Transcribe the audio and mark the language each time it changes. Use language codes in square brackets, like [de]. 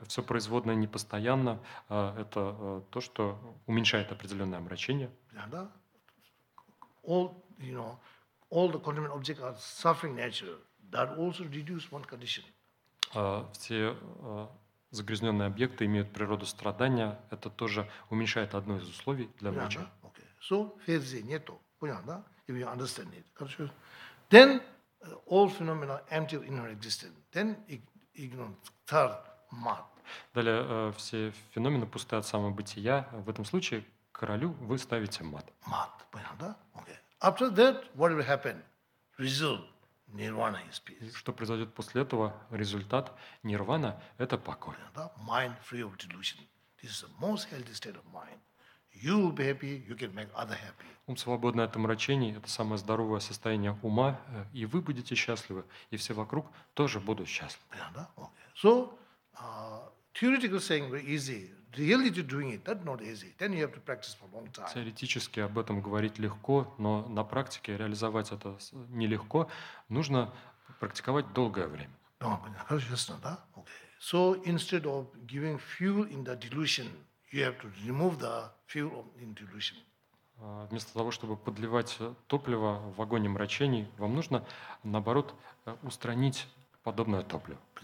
[ru] Все производное непостоянно. Это то, что уменьшает определенное омрачение. [en] All, you know, all the contaminant objects are suffering nature. That also reduce one condition. [ru] Все загрязненные объекты имеют природу страдания. Это тоже уменьшает одно из условий для омрачения. [en] Okay. So, [ru] фейзи нету. Понятно, да? [en] If you understand it. Then all phenomena empty of inner existence. Then ignorance, third, [ru] мат. Далее, все феномены пусты от самобытия. В этом случае королю вы ставите мат. Мат, понял, да? [en] Okay. After that, what will happen? Result, nirvana is peace. [ru] Что произойдет после этого? Результат нирвана – это покой. Понял, да? [en] Mind free of delusion. This is the most healthy state of mind. You will be happy, you can make other happy. [ru] Ум свободный от омрачений – это самое здоровое состояние ума, и вы будете счастливы, и все вокруг тоже будут счастливы. Понял, да? Okay. [en] So, theoretically saying very easy, reality doing it, that's not easy. Then you have to practice for a long time. [ru] Теоретически об этом говорить легко, но на практике реализовать это нелегко. Нужно практиковать долгое время. Да, okay. [en] So instead of giving fuel in the delusion, you have to remove the fuel in delusion. [ru] Вместо того, чтобы подливать топливо в огонь мрачений, вам нужно, наоборот, устранить подобное топливо.